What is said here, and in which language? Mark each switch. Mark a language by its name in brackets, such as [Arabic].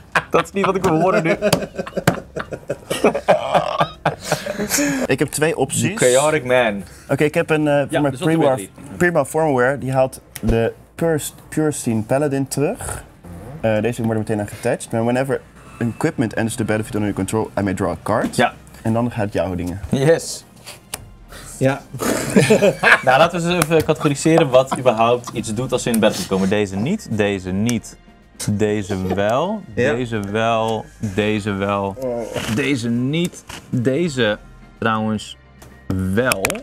[Dutch] Dat is niet wat ik wil horen nu. Ik heb twee opties. [English] The chaotic man. [Dutch] Oké, ik heb een pre-war formalware. Die haalt de Purestine Paladin terug. Deze wordt er meteen aan getatcht. Maar [English] whenever equipment enters the battlefield under your control, I may draw a card. [Dutch] Ja. En dan gaat jouw dingen. [English] Yes. [Dutch] Ja. Nou, laten we eens even categoriseren wat überhaupt iets doet als ze in de battlefield komen. Deze niet, deze niet. Deze wel, deze wel, deze wel, deze niet, deze trouwens wel.